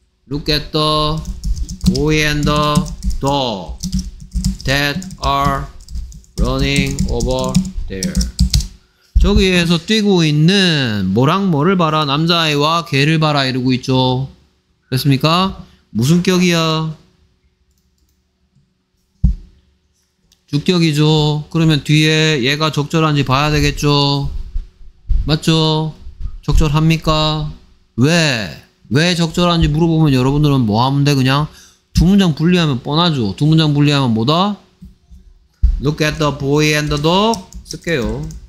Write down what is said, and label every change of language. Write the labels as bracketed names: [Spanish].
[English] Look at the boy and the dog that are running over there. [Korean] 저기에서 뛰고 있는 뭐랑 뭐를 봐라? 남자아이와 개를 봐라 이러고 있죠. 됐습니까? 무슨 격이야? 주격이죠. 그러면 뒤에 얘가 적절한지 봐야 되겠죠. 맞죠? 적절합니까? 왜? 왜 적절한지 물어보면 여러분들은 뭐 하면 돼? 그냥 두 문장 분리하면 뻔하죠. 두 문장 분리하면 뭐다? [English] Look at the boy and the dog [Korean] 쓸게요.